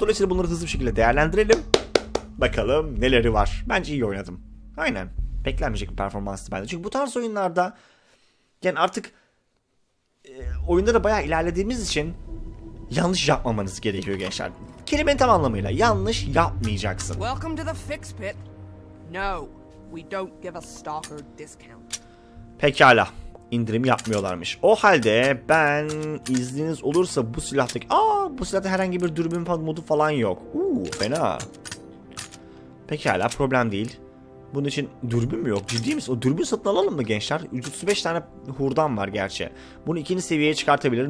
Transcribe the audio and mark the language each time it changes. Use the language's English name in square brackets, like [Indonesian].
[Turkish] Dolayısıyla bunları hızlı bir şekilde değerlendirelim. Bakalım neleri var. Bence iyi oynadım. Aynen. Beklenmeyecek bir performanstı bende. Çünkü bu tarz oyunlarda yani artık oyunda da bayağı ilerlediğimiz için yanlış yapmamanız gerekiyor gençler. Kelimenin tam anlamıyla yanlış yapmayacaksın. [English] Welcome to the fix pit. No, we don't give a stalker discount. [Turkish] Pekala. İndirim yapmıyorlarmış. O halde ben izniniz olursa bu silahtaki... Aa, bu silahta herhangi bir dürbün modu falan yok. Fena. Pekala, problem değil. Bunun için dürbün mü yok? Ciddi misin? O dürbün satın alalım mı gençler? 35 tane hurdan var gerçi. Bunu ikinci seviyeye çıkartabilirim.